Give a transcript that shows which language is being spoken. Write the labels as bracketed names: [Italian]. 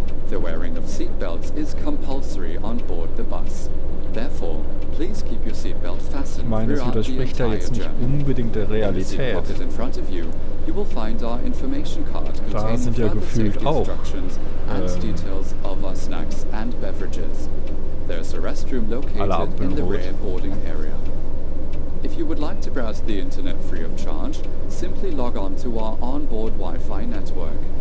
[English] The wearing of seatbelts is compulsory on board the bus. Therefore, please keep your seatbelt fastened. [German] Meines widerspricht da jetzt nicht unbedingt der Realität. [English] In front of you, you will find our information card containing further safety instructions and details of our snacks and beverages. There is a restroom located in the rear boarding area. If you would like to browse the internet free of charge, simply log on to our onboard Wi-Fi network.